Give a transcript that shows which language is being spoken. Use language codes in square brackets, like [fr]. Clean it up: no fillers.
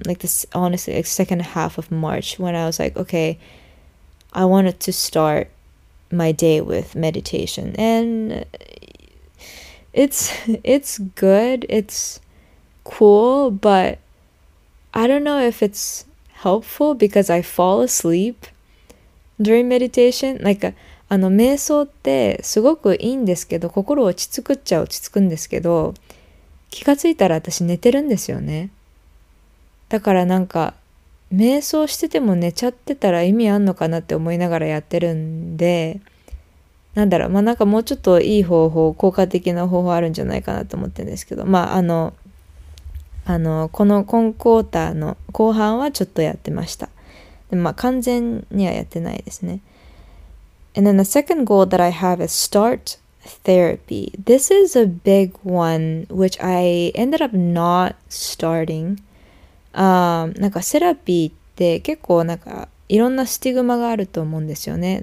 [en] Second half of March when I was like, okay, I wanted to start my day with meditation. And it's good, it's cool, but I don't know if it's helpful because I fall asleep during meditation. Like, [ja] あの瞑想ってすごくいいんですけど、心落ち着くっちゃ落ち着くんですけど、気がついたら私寝てるんですよね。だからなんか瞑想してても寝ちゃってたら意味あんのかなって思いながらやってるんで、なんだろう、まあなんかもうちょっといい方法、効果的な方法あるんじゃないかなと思ってるんですけど、まあこの今クォーターの後半はちょっとやってました。でまあ完全にはやってないですね。 [en] And then the second goal that I have is start Therapy. This is a big one, which I ended up not starting. [ja] なんかセラピーって結構なんかいろんなスティグマがあると思うんですよね。